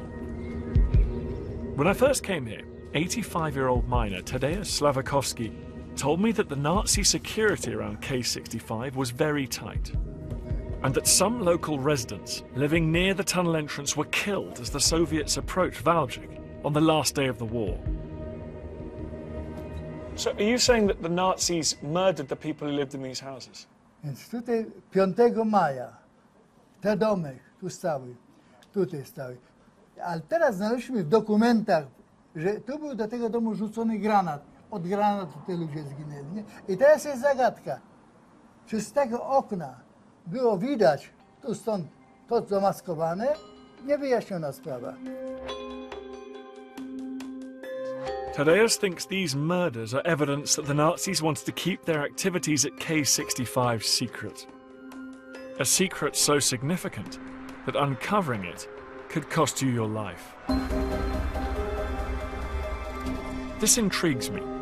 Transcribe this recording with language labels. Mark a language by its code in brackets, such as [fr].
[en] When I first came here, 85-year-old miner Tadeusz Slawakowski told me that the Nazi security around K65 was very tight, and that some local residents living near the tunnel entrance were killed as the Soviets approached Valbzich on the last day of the war. So are you saying that the Nazis murdered the people who lived in these houses? [pl] Więc tutaj 5 maja te domy tu stały, tutaj stały. Ale teraz znaleźliśmy w dokumentach, że tu był do tego domu rzucony granat. Od granatu te ludzie zginęli. Nie? I teraz jest zagadka. Czy z tego okna było widać tu stąd to zamaskowane? Nie wyjaśniona sprawa. [en] Tadeusz thinks these murders are evidence that the Nazis wanted to keep their activities at K65 secret. A secret so significant that uncovering it could cost you your life. This intrigues me.